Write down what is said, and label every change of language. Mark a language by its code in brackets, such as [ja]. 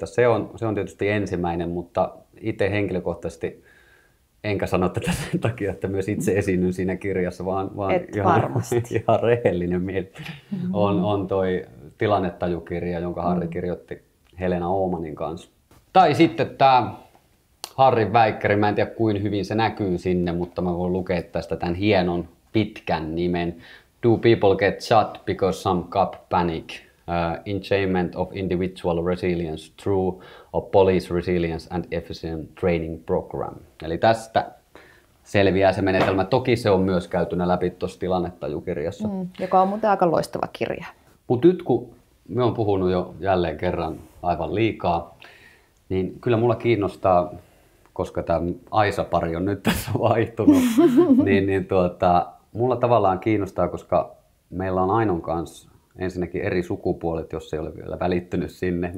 [fi] Se on tietysti ensimmäinen, mutta itse henkilökohtaisesti enkä sano tätä sen takia, että myös itse esiinnyn siinä kirjassa, vaan ihan rehellinen mieli. On toi tilannetajukirja, jonka Harri kirjoitti Helena Oomanin kanssa. Tai sitten tämä Harri Väikkäri, mä en tiedä kuin hyvin se näkyy sinne, mutta mä voin lukea tästä tämän hienon pitkän nimen. [en] Do people get shot because some cop panic? Enchantment of individual resilience through a police resilience and efficient training program. [fi] Eli tästä selviää se menetelmä. Toki se on myös käytynä läpi tuossa tilannetajukirjassa. Joka on muuten aika loistava kirja. Mut nyt kun me on puhunut jo jälleen kerran aivan liikaa, niin kyllä mulla kiinnostaa, koska tämä Aisa-pari on nyt tässä vaihtunut, niin mulla tavallaan kiinnostaa, koska meillä on Ainon kanssa ensinnäkin eri sukupuolet, jos ei ole vielä välittynyt sinne.